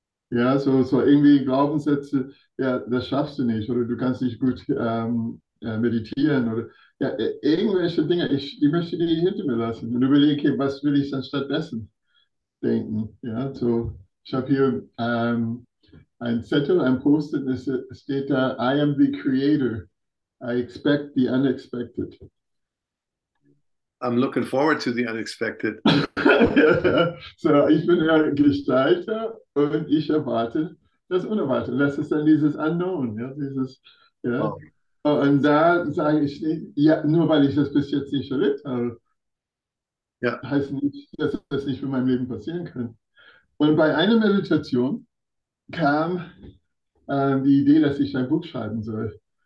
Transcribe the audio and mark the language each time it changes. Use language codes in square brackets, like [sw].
[de] Ja, so irgendwie Glaubenssätze, ja, das schaffst du nicht oder du kannst nicht gut meditieren oder ja, irgendwelche Dinge, ich möchte die hinter mir lassen und überlege, okay, was will ich dann stattdessen denken? Ja, so, ich habe hier ein Zettel, ein Post-it, es steht da: [en] I am the creator, I expect the I'm looking forward to the unexpected. unexpected. [de] So, ich bin ja Gestalter. Und ich erwarte das Unerwartete. Das ist dann dieses Unknown, ja, Oh. dieses, ja. Und da sage ich nicht, ja, nur weil ich das bis jetzt nicht erlebt habe, Ja. heißt nicht, dass das nicht in meinem Leben passieren kann. Und bei einer Meditation kam die Idee, dass ich ein Buch schreiben soll.